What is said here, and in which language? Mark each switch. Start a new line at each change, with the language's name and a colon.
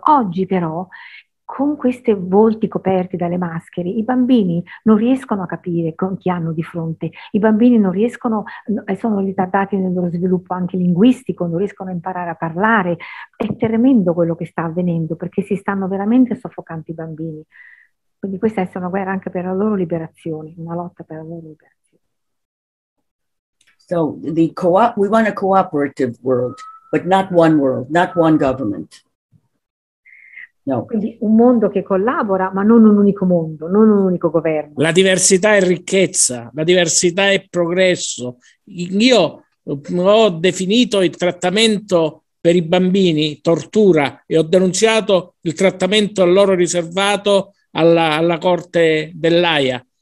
Italian: Oggi però, con questi volti coperti dalle maschere, i bambini non riescono a capire con chi hanno di fronte, i bambini non riescono, sono ritardati nel loro sviluppo anche linguistico, non riescono a imparare a parlare. È tremendo quello che sta avvenendo, perché si stanno veramente soffocando i bambini. Quindi questa è una guerra anche per la loro liberazione, una lotta per la loro liberazione.
English: So the we want a cooperative world, but not one world, not one government. No.
Italian: Quindi un mondo che collabora, ma non un unico mondo, non un unico governo. La diversità è ricchezza, la diversità è progresso. Io ho definito il trattamento per i bambini tortura e ho denunciato il trattamento a loro riservato alla corte dell'AIA.